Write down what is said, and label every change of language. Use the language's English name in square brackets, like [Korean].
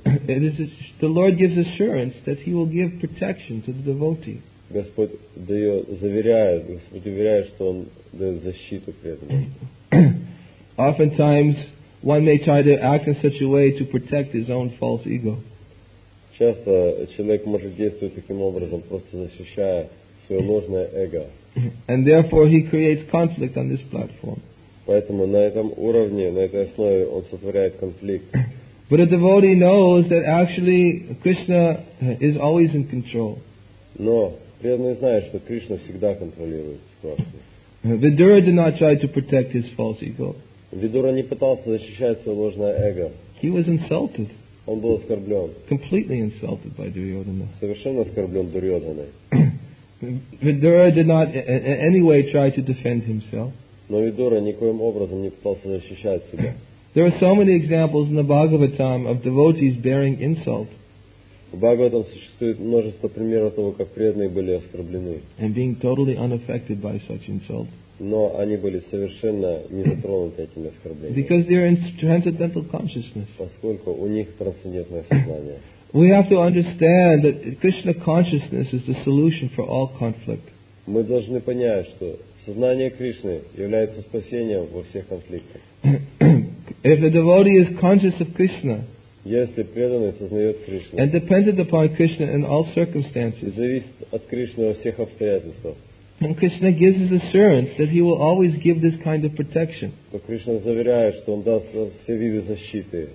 [English] The Lord gives assurance that he will give protection to the devotee. [Russian] Господь уверяет, что он дает защиту преданному. [English] Oftentimes, one may try to act in such a way to protect his own false ego. [Russian] Часто человек может действовать таким образом, просто защищая свое ложное эго. [English] And therefore, he creates conflict on this platform. [Russian] Поэтому на этом уровне, на этой основе, он сотворяет конфликт. [English] But a devotee knows that actually Krishna is always in control. [Russian] Но преданный знает, что Кришна всегда контролирует ситуацию. [English] Vidura did not try to protect his false ego. [Russian] Видура не пытался защищать свое ложное эго. [English] He was insulted. [Russian] Он был оскорблен. [English] Completely insulted by Duryodhana. [Russian] Совершенно оскорблен Дурьодханой. [English] Vidura did not in any way try to defend himself. [Russian] Но Видура никоим образом не пытался защищать себя. [English] There are so many examples in the Bhagavatam of devotees bearing insult. [Russian] В Бхагаватам существует множество примеров того, как преданные были оскорблены. [English] And being totally unaffected by such insult. [Russian] Но они были совершенно не затронуты этими оскорблениями. [English] Because they are in transcendental consciousness. [Russian] Поскольку у них трансцендентное сознание. [English] We have to understand that Krishna consciousness is the solution for all conflict. [Russian] Мы должны понять, что сознание Кришны является спасением во всех конфликтах. [English] If a devotee is conscious of Krishna, [Russian] если преданный сознает Кришну, [English] and dependent upon Krishna in all circumstances, [Russian] зависит от Кришны во всех обстоятельствах, [English] and Krishna gives his assurance that he will always give this kind of protection. [Russian] То Кришна заверяет, что он даст все виды защиты.